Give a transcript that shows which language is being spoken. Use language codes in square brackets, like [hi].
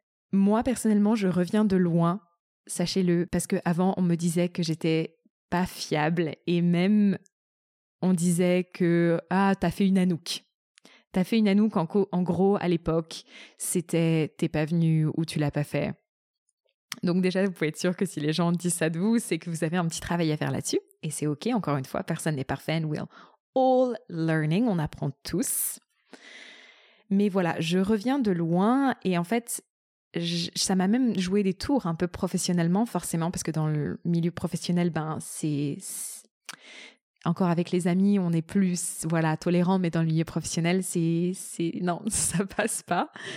[fr] Moi, personnellement, je reviens de loin, sachez-le, parce que avant, on me disait que j'étais pas fiable et même on disait que « Ah, t'as fait une Anouk ». T'as fait une Anouk, en gros, à l'époque, c'était « t'es pas venu » ou « tu l'as pas fait ». Donc déjà, vous pouvez être sûr que si les gens disent ça de vous, c'est que vous avez un petit travail à faire là-dessus. Et c'est OK, encore une fois, personne n'est parfait. [en] And we're all learning, [fr] on apprend tous. Mais voilà, je reviens de loin et en fait, ça m'a même joué des tours un peu professionnellement, forcément, parce que dans le milieu professionnel, ben c'est... Encore avec les amis, on est plus voilà, tolérant, mais dans le milieu professionnel, c'est non, ça passe pas.